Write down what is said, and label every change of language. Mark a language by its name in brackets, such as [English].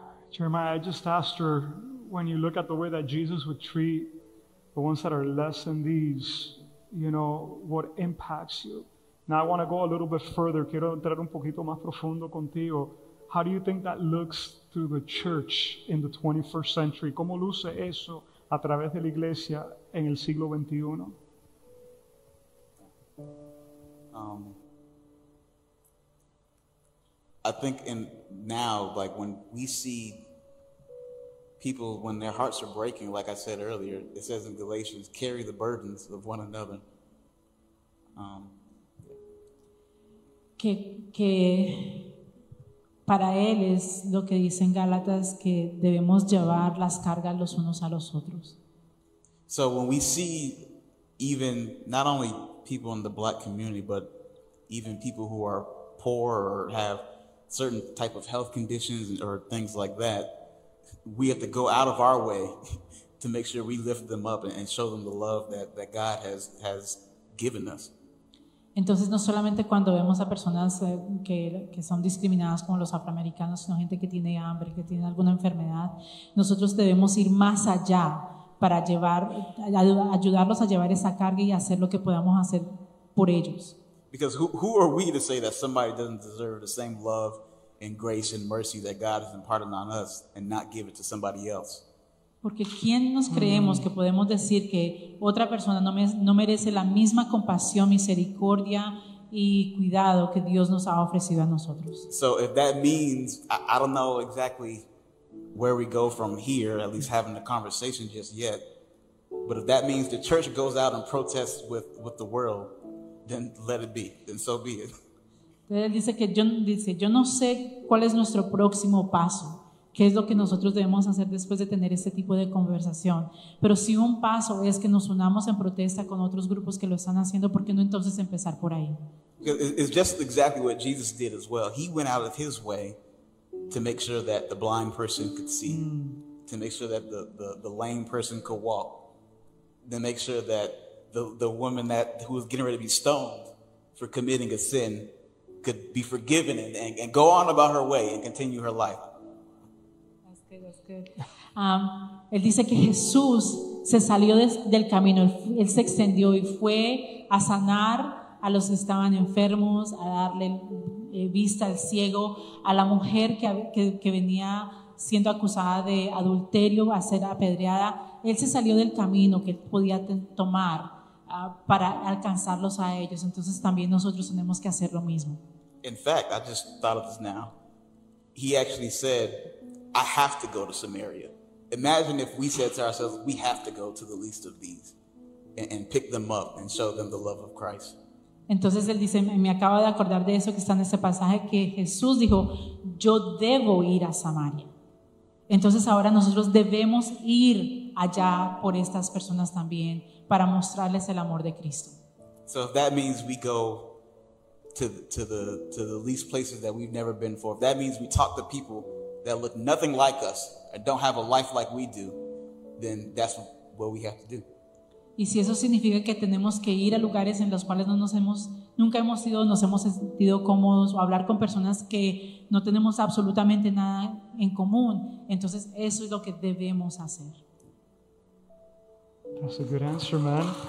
[English] Jeremiah, I just asked her, when you look at the way that Jesus would treat the ones that are less than these, you know, what impacts you? Now I want to go a little bit further. [Spanish] Quiero entrar un poquito más profundo contigo. [English] How do you think that looks to the church in the 21st century? [Spanish] ¿Cómo luce eso a través de la iglesia en el siglo 21? [English] I think in now, like when we see people, when their hearts are breaking, like I said earlier, it says in Galatians, carry the burdens of one another. [Spanish] Que para él es lo que dicen Gálatas, que debemos llevar las cargas los unos a los otros. [English] So when we see even not only people in the black community, but even people who are poor or have certain type of health conditions or things like that, we have to go out of our way to make sure we lift them up and show them the love that God has given us. [Spanish] Entonces, no solamente cuando vemos a personas que son discriminadas como los afroamericanos, sino gente que tiene hambre, que tiene alguna enfermedad, nosotros debemos ir más allá para ayudarlos a llevar esa carga y hacer lo que podamos hacer por ellos. [English] Because who are we to say that somebody doesn't deserve the same love and grace and mercy that God has imparted on us and not give it to somebody else? [Spanish] Porque ¿quién nos creemos que podemos decir que otra persona no merece la misma compasión, misericordia y cuidado que Dios nos ha ofrecido a nosotros? [English] So if that means, I don't know exactly where we go from here, at least having the conversation just yet, but if that means the church goes out and protests with the world, then let it be, then so be it. [Spanish] Él dice que yo no sé cuál es nuestro próximo paso. ¿Qué es lo que nosotros debemos hacer después de tener este tipo de conversación? Pero si un paso es que nos unamos en protesta con otros grupos que lo están haciendo, ¿por qué no entonces empezar por ahí? [English] It's just exactly what Jesus did as well. He went out of his way to make sure that the blind person could see, to make sure that the lame person could walk, to make sure that the woman who was getting ready to be stoned for committing a sin could be forgiven and go on about her way and continue her life. That's good, that's good. [Spanish] Él dice que Jesús se salió del camino. Él se extendió y fue a sanar a los que estaban enfermos, a darle vista al ciego, a la mujer que venía siendo acusada de adulterio, a ser apedreada. Él se salió del camino que él podía tomar para alcanzarlos a ellos. Entonces también nosotros tenemos que hacer lo mismo. [English] In fact, I just thought of this now. He actually said, I have to go to Samaria. Imagine if we said to ourselves, we have to go to the least of these and pick them up and show them the love of Christ. [Spanish] Entonces él dice, me acabo de acordar de eso que está en ese pasaje, que Jesús dijo, yo debo ir a Samaria. Entonces ahora nosotros debemos ir allá por estas personas también para mostrarles el amor de Cristo. [English] So if that means we go to the least places that we've never been for, if that means we talk to people that look nothing like us and don't have a life like we do, then that's what we have to do. [Spanish] Y si eso significa que tenemos que ir a lugares en los cuales no nos hemos nunca hemos ido, nos hemos sentido cómodos, o hablar con personas que no tenemos absolutamente nada en común, entonces eso es lo que debemos hacer. [English] That's a good answer, man.